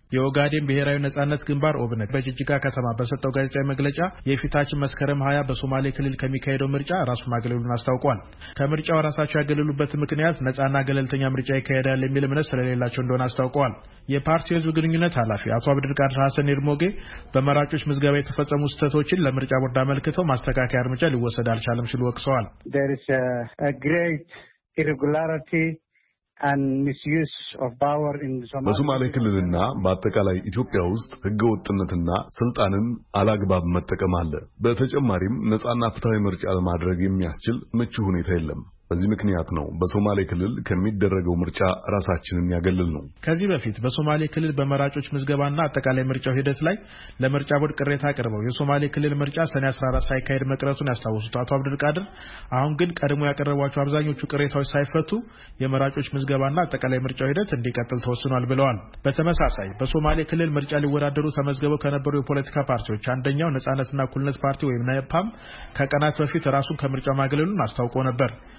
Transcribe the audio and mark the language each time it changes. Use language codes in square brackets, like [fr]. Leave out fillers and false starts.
[am] የኦጋዴን ብሔራዊ ነጻነት ግንባር ኦብነግ በጅጅጋ ከተማ በሰጠው ጋዜጣዊ መግለጫ የፊታችን መስከረም 20 በሶማሌ ክልል ከሚካሄደው ምርጫ ራሱን ማግለሉን አስታውቋል። ከምርጫው ራሳቸው ያገለሉበት ምክንያት ነጻና ገለልተኛ ምርጫ ይካሄዳል የሚል እምነት ስለሌላቸው እንደሆነ አስታውቋል። የፓርቲው ህዝብ ግንኙነት ኃላፊ አቶ አብድር ቃድር ሐሰን ይርሞጌ በመራጮች ምዝገባ የተፈጸሙ ስህተቶችን ለምርጫ ቦርድ አመልክተው ማስተካከያ እርምጃ ሊወሰድ አልቻለም ሲሉ ወቅሰዋል። [en] There is a great irregularity and misuse of power in Somalia. [am] በሶማሌ ክልልና በአጠቃላይ ኢትዮጵያ ውስጥ ህገወጥነትና ስልጣንን አላግባብ መጠቀም አለ። በተጨማሪም ነጻና ፍትሃዊ ምርጫ ለማድረግ የሚያስችል ምቹ ሁኔታ የለም። በዚህ ምክንያት ነው በሶማሌ ክልል ከሚደረገው ምርጫ ራሳችንን ያገለልነው። ከዚህ በፊት በሶማሌ ክልል በመራጮች ምዝገባና አጠቃላይ ምርጫው ሂደት ላይ ለምርጫ ቦርድ ቅሬታ አቀረበው የሶማሌ ክልል ምርጫ ሰኔ 14 ሳይካሄድ መቅረቱን ያስታወሱት አቶ አብዱል ቃድር አሁን ግን ቀድሞ ያቀረቧቸው አብዛኞቹ ቅሬታዎች ሳይፈቱ የመራጮች ምዝገባና አጠቃላይ ምርጫው ሂደት እንዲቀጥል ተወስኗል ብለዋል። በተመሳሳይ በሶማሌ ክልል ምርጫ ሊወዳደሩ ተመዝገበው ከነበሩ የፖለቲካ ፓርቲዎች አንደኛው ነጻነትና እኩልነት ፓርቲ ወይም ነፓም ከቀናት በፊት ራሱን ከምርጫው ማግለሉን አስታውቆ ነበር።